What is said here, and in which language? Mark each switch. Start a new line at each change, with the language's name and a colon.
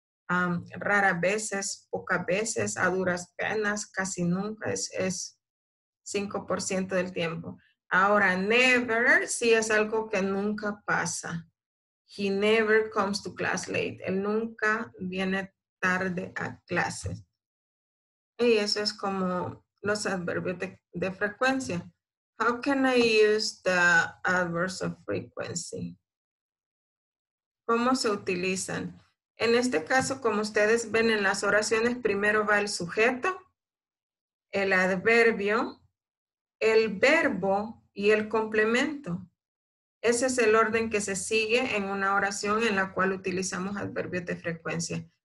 Spanish: Raras veces, pocas veces, a duras penas, casi nunca, es 5% del tiempo. Ahora, never, sí es algo que nunca pasa.
English: He never comes to class late.
Spanish: Él nunca viene tarde a clases. Y eso es como los adverbios de frecuencia.
English: How can I use the adverbs of frequency?
Spanish: ¿Cómo se utilizan? En este caso, como ustedes ven en las oraciones, primero va el sujeto, el adverbio, el verbo y el complemento. Ese es el orden que se sigue en una oración en la cual utilizamos adverbios de frecuencia.